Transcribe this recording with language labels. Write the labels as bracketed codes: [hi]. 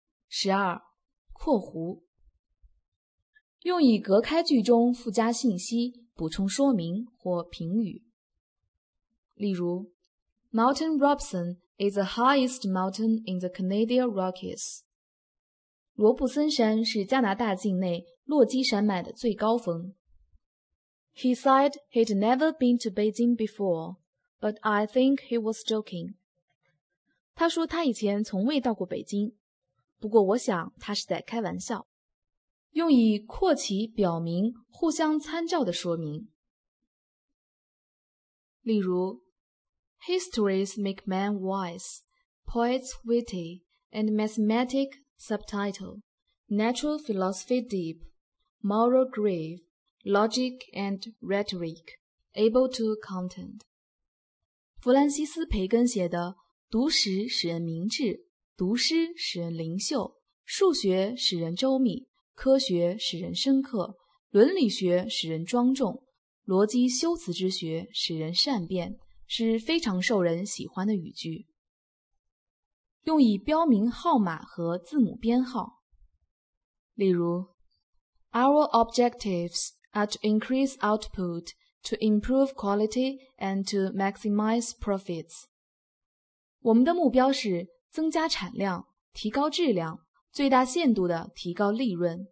[zh] 12括弧用以隔开句中附加信息，补充说明或评语。 [en] 例如 Mountain Robson is the highest mountain in the Canadian Rockies. [zh] 罗布森山是加拿大境内落基山脉的最高峰。 [en] He said he'd never been to Beijing before, but I think he was joking. [zh] 他说他以前从未到过北京，不过我想他是在开玩笑。用以扩起表明互相参照的说明。 [en] 例如 Histories make men wise, poets witty, and mathematics subtitle, natural philosophy deep, moral grave, logic and rhetoric, able to content. [zh] 弗兰西斯·培根写的读史使人明智，读诗使人灵秀，数学使人周密，科学使人深刻，伦理学使人庄重，逻辑修辞之学使人善变，是非常受人喜欢的语句。用以标明号码和字母编号。 [en] 例如 Our objectives are to increase output, to improve quality, and to maximize profits. [zh] 我们的目标是增加产量，提高质量，最大限度地提高利润。